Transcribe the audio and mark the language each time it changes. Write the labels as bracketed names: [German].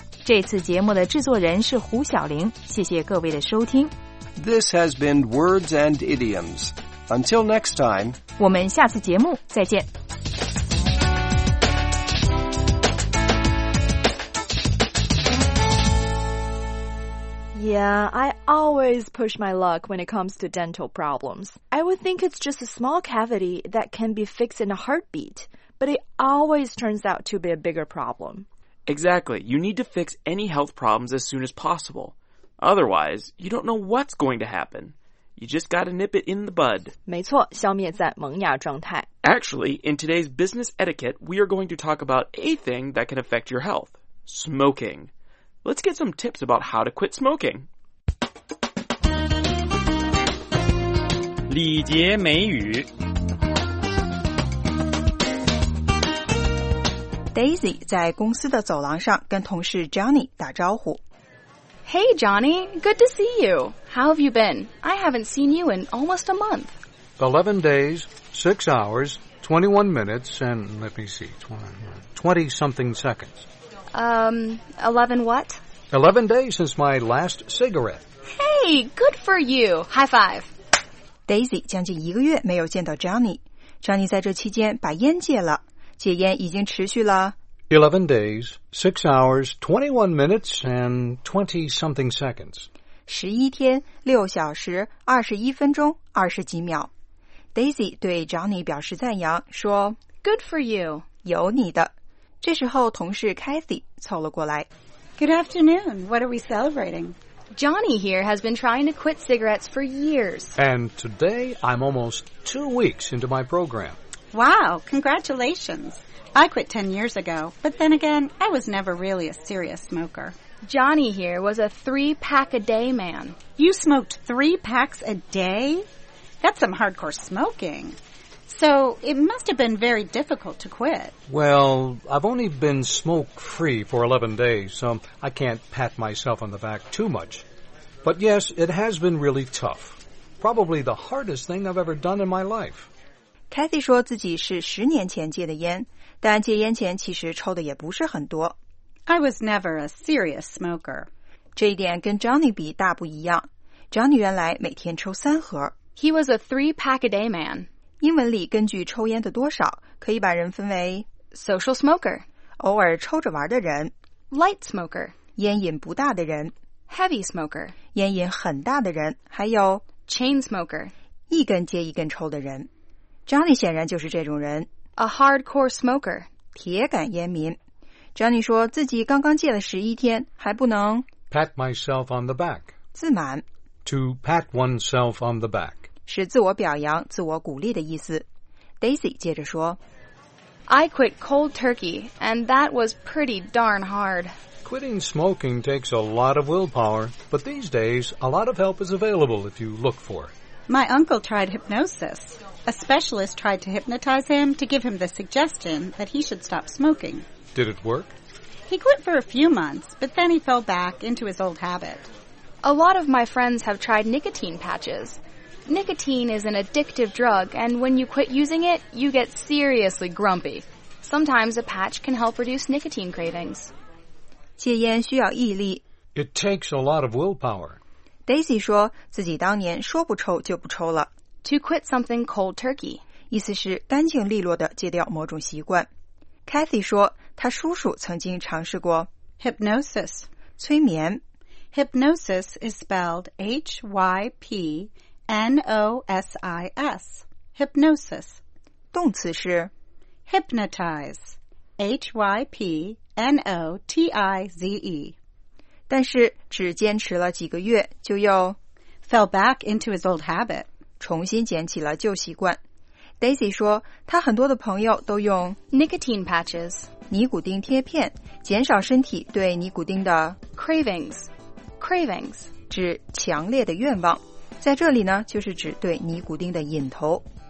[Chinese] 这次节目的制作人是胡晓玲，谢谢各位的收听。 [English] This has been Words and Idioms. Until next time, [Chinese] 我们下次节目再见。 [English] Yeah, I always push my luck when it comes to dental problems. I would think it's just a small cavity that can be fixed in a heartbeat, but it always turns out to be a bigger problem. Exactly. You need to fix any health problems as soon as possible. Otherwise, you don't know what's going to happen. You just gotta nip it in the bud. [Chinese] 没错，消灭在萌芽状态。 [English] Actually, in today's business etiquette, we are going to talk about a thing that can affect your health. Smoking. Let's get some tips about how to quit smoking. [Chinese] 礼节美语。 Daisy 在公司的走廊上跟同事 Johnny 打招呼。 [English] Hey, Johnny. Good to see you. How have you been? I haven't seen you in almost a month. 11 days, 6 hours, 21 minutes, and let me see, 20-something seconds. 11 what? 11 days since my last cigarette. Hey, good for you. High five. [Chinese] Daisy 将近一个月没有见到 Johnny. Johnny 在这期间把烟戒了。戒烟已经持续了。 [English] 11 days, 6 hours, 21 minutes, and 20-something seconds. [Chinese] 11天, 6小时, 21分钟, 20几秒。 Daisy 对 Johnny 表示赞扬, 说 [English] Good for you. [Chinese] 有你的。这时候同事 Kathy 凑了过来。 [English] Good afternoon. What are we celebrating? Johnny here has been trying to quit cigarettes for years. And today, I'm almost 2 weeks into my program. Wow, congratulations. I quit 10 years ago, but then again, I was never really a serious smoker. Johnny here was a 3-pack-a-day man. You smoked 3 packs a day? That's some hardcore smoking. So, it must have been very difficult to quit. Well, I've only been smoke-free for 11 days, so I can't pat myself on the back too much. But yes, it has been really tough. Probably the hardest thing I've ever done in my life. [Chinese] Kathy 说自己是十年前戒的烟。但戒烟前其实抽的也不是很多。 [English] I was never a serious smoker. [Chinese] 这一点跟 Johnny 比大不一样。Johnny 原来每天抽三盒。 [English] He was a 3-pack-a-day man. [Chinese] 英文里根据抽烟的多少可以把人分为 [English] social smoker, [Chinese] 偶尔抽着玩的人 [English] light smoker, [Chinese] 烟瘾不大的人 [English] heavy smoker, [Chinese] 烟瘾很大的人还有 [English] chain smoker, [Chinese] 一根接一根抽的人。 Johnny 显然就是这种人。 [English] A hardcore smoker. [Chinese] 铁杆烟民。 Johnny 说自己刚刚戒了十一天还不能 [English] pat myself on the back. [Chinese] 自满。 [English] To pat oneself on the back. [Chinese] 是自我表扬自我鼓励的意思。Daisy 接着说 [English] I quit cold turkey, and that was pretty darn hard. Quitting smoking takes a lot of willpower, but these days, a lot of help is available if you look for it. My uncle tried hypnosis. A specialist tried to hypnotize him to give him the suggestion that he should stop smoking. Did it work? He quit for a few months, but then he fell back into his old habit. A lot of my friends have tried nicotine patches. Nicotine is an addictive drug, and when you quit using it, you get seriously grumpy. Sometimes a patch can help reduce nicotine cravings. [Chinese] 戒烟需要毅力。 [English] It takes a lot of willpower. [Chinese] Daisy 说自己当年说不抽就不抽了。 [English] To quit something cold turkey. [Chinese] 意思是干净利落地戒掉某种习惯。Kathy 说她叔叔曾经尝试过 [English] hypnosis. [Chinese] 催眠。 [English] Hypnosis is spelled H-Y-P-N-O-S-I-S. Hypnosis. [Chinese] 动词是 [English] hypnotize. H-Y-P-N-O-T-I-Z-E. [Chinese] 但是只坚持了几个月就又 [English] fell back into his old habit. [Chinese] 重新捡起了旧习惯。 Daisy 说他很多的朋友都用 [English] nicotine patches, [Chinese] 尼古丁贴片减少身体对尼古丁的 [English] cravings。 Cravings [Chinese] 指强烈的愿望，在这里呢，就是指对尼古丁的瘾头。